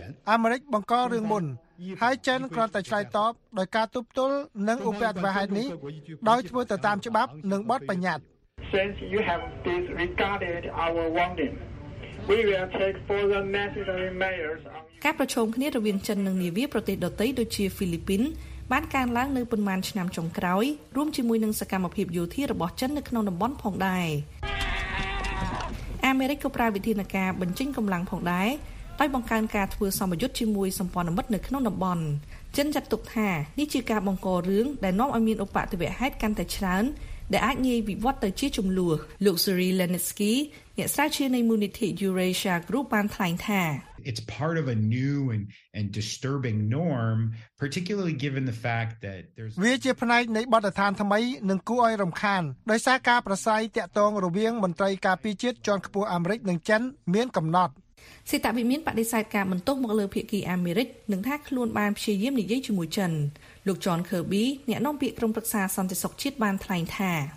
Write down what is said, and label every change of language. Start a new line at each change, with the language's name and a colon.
Khmer: អាមេរិកបង្ករឿងមុនហើយចិនគ្រាន់តែឆ្លើយតបដោយការទប់ទល់នឹងឧបទ្វីបហេតុនេះដោយធ្វើទៅតាមច្បាប់និងបទបញ្ញត្តិ
English: Since you have disregarded our warning we will take further necessary measures
Khmer: ការប្រជុំគ្នារវាងចិននិងនាវាប្រទេសដទៃដូចជាហ្វីលីពីនបានកើនឡើងនៅប៉ុន្មានឆ្នាំចុងក្រោយរួមជាមួយនឹងសកម្មភាពយោធារបស់ចិននៅក្នុងតំបន់ផងដែរអាមេរិកក៏ប្រើវិធានការបញ្ចេញកម្លាំងផងដែរដោយបង្កើនការធ្វើសមយុទ្ធជាមួយសម្ព័ន្ធមិត្តនៅក្នុងតំបន់ចិនចាត់ទុកថានេះជាការបង្ករឿងដែលនាំឲ្យមានឧបទ្វីបហេតុកាន់តែច្រើន ដែលអាចងាយវិវត្តទៅជាជម្លោះលោកសេរីលេនេស្គីអ្នកស្រាវជ្រាវនៃមូនីធី Eurasia Group បានថ្លែងថា
English: It's part of a new and disturbing norm particularly given the fact that there's
Khmer: វាជាផ្នែកនៃបទដ្ឋានថ្មីនឹងគួរឲ្យរំខានដោយសារការប្រស័យតាក់ទងរវាងមន្ត្រីការទូតជាន់ខ្ពស់អាមេរិកនិងចិនមានកំណត់ សេតវិមានបដិសេធការបន្ទោសមកលើភៀកគីអាមេរិកនឹងថាខ្លួនបានព្យាយាមនិយាយជាមួយចិនលោកចនខឺប៊ីអ្នកនាំពាក្យក្រុមប្រឹក្សាសន្តិសុខជាតិបានថ្លែងថា